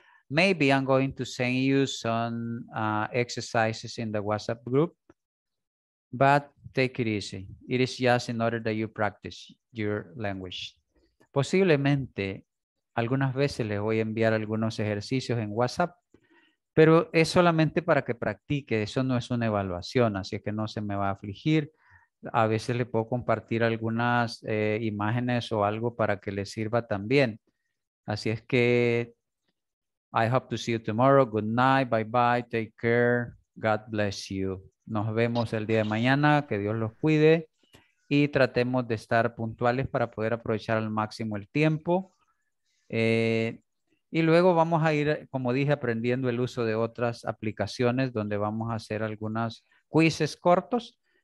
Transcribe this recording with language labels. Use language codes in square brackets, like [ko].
[en] Maybe I'm going to send you some exercises in the WhatsApp group. But take it easy. It is just in order that you practice your language. [es] Posiblemente algunas veces les voy a enviar algunos ejercicios en WhatsApp, pero es solamente para que practique, eso no es una evaluación, así que no se me va a afligir. A veces le puedo compartir algunas imágenes o algo para que les sirva también. Así es que, [en] I hope to see you tomorrow, good night, bye bye, take care, God bless you. [es] Nos vemos el día de mañana, que Dios los cuide y tratemos de estar puntuales para poder aprovechar al máximo el tiempo. Y luego vamos a ir, como dije, aprendiendo el uso de otras aplicaciones donde vamos a hacer algunos quizzes cortos